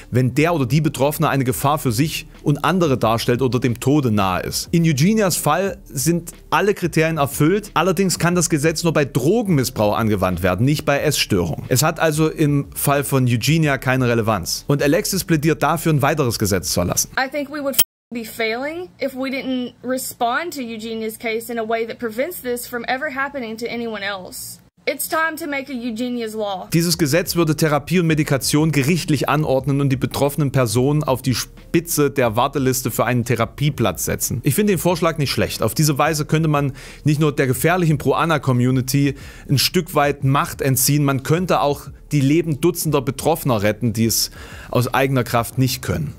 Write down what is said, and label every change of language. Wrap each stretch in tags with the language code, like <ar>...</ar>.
<de>wenn der oder die Betroffene eine Gefahr für sich und andere darstellt oder dem Tode nahe ist. In Eugenias Fall sind alle Kriterien erfüllt, allerdings kann das Gesetz nur bei Drogenmissbrauch angewandt werden, nicht bei Essstörungen. Es hat also im Fall von Eugenia keine Relevanz. Und Alexis plädiert dafür, ein weiteres Gesetz zu erlassen.</de> <en>I think we would be failing if we didn't respond to Eugenia's case in a way that prevents this from ever happening to anyone else. It's time to make a Eugenia's law.</en> <de>Dieses Gesetz würde Therapie und Medikation gerichtlich anordnen und die betroffenen Personen auf die Spitze der Warteliste für einen Therapieplatz setzen. Ich finde den Vorschlag nicht schlecht. Auf diese Weise könnte man nicht nur der gefährlichen Pro-Anna-Community ein Stück weit Macht entziehen, man könnte auch die Leben dutzender Betroffener retten, die es aus eigener Kraft nicht können.</de>